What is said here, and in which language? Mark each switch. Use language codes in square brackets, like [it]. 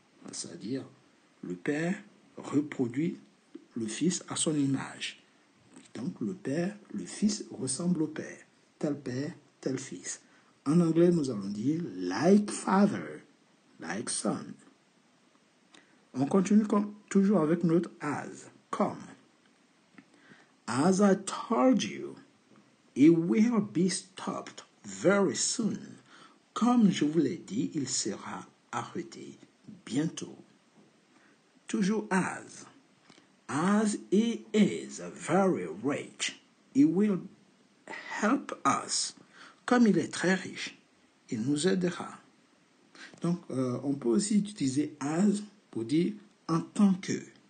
[fr] C'est-à-dire, le père reproduit le fils à son image. Donc, le père, le fils ressemble au père. Tel père, tel fils. En anglais, nous allons dire [en] like father, like son. [fr] On continue comme, toujours avec notre as, comme. [en] As I told you, it will be stopped very soon. [fr] Comme je vous l'ai dit, il sera arrêté bientôt. [en] Toujours as. As he is very rich, he will help us. [fr] Comme il est très riche, il nous aidera. Donc, on peut aussi utiliser as pour dire en tant que.